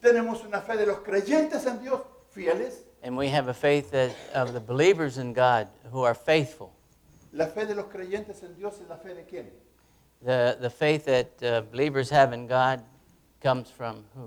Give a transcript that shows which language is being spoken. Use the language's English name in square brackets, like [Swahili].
[Spanish] Tenemos una fe de los creyentes en Dios, fieles. [English] And we have a faith that, of the believers in God who are faithful. [Spanish] La fe de los creyentes en Dios es la fe de quién? [English] The faith that believers have in God comes from who?